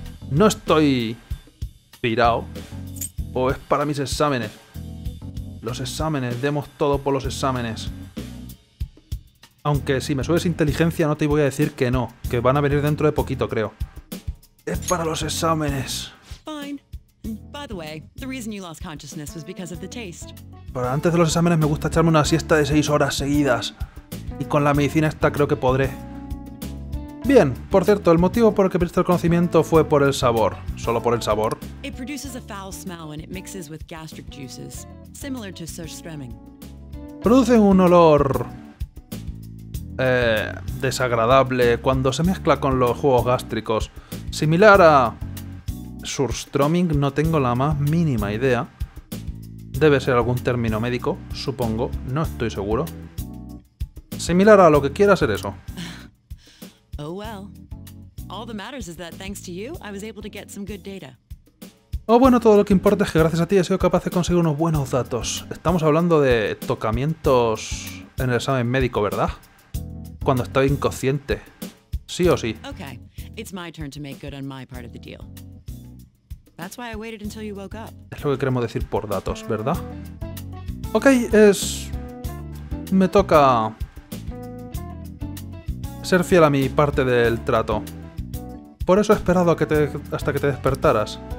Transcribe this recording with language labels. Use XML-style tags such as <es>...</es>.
<es>No estoy pirado. O es para mis exámenes. Los exámenes, demos todo por los exámenes. Aunque si me subes inteligencia no te voy a decir que no, que van a venir dentro de poquito, creo. Es para los exámenes.</es> <en>Fine. By the way, the reason you lost consciousness was because of the taste.</en> <es>Pero antes de los exámenes me gusta echarme una siesta de 6 horas seguidas. Y con la medicina esta creo que podré. Bien, por cierto, el motivo por el que perdiste el conocimiento fue por el sabor. ¿Solo por el sabor?</es> <en>It produces a foul smell when it mixes with gastric juices, similar to surströmming.</en> <es>Produce un olor desagradable cuando se mezcla con los jugos gástricos. Similar a surströmming, no tengo la más mínima idea. Debe ser algún término médico, supongo. No estoy seguro. Similar a lo que quiera ser eso.</es> <en>Oh well. All that matters is that thanks to you, I was able to get some good data.</en> <es>Oh bueno, todo lo que importa es que gracias a ti he sido capaz de conseguir unos buenos datos. Estamos hablando de tocamientos en el examen médico, ¿verdad? Cuando estoy inconsciente. Sí o sí.</es> <en>Okay. It's my turn to make good on my part of the deal. That's why I waited until you woke up.</en> <es>Es lo que queremos decir por datos, ¿verdad? Ok, me toca ser fiel a mi parte del trato. Por eso he esperado hasta que te despertaras.</es>